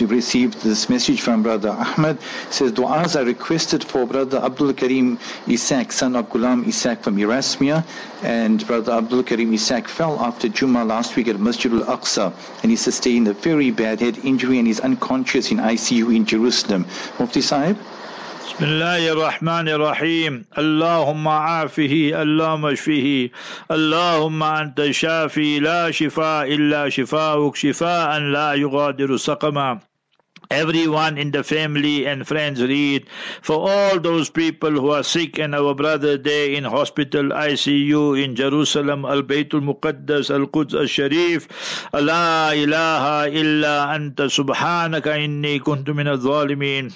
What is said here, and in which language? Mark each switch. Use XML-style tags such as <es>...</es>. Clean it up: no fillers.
<en>We've received this message from Brother Ahmed. It says, du'as are requested for Brother Abdul Karim Isaac, son of Ghulam Isaac from Erasmia, and Brother Abdul Karim Isaac fell after Jummah last week at Masjid al-Aqsa, and he sustained a very bad head injury and is unconscious in ICU in Jerusalem. Mufti Sahib?</en> <ar>بسم الله الرحمن الرحيم اللهم عافه اللهم اشفه اللهم أنت شافي لا شفاء إلا شفاءك شفاء لا يغادر سقما.</ar> <en>Everyone in the family and friends read. For all those people who are sick and our brother there in hospital, ICU, in Jerusalem, Al-Baytul Muqaddas, Al-Quds Al-Sharif.</en> <ar>Allah ilaha illa anta subhanaka inni kuntu min al-zalimin.</ar>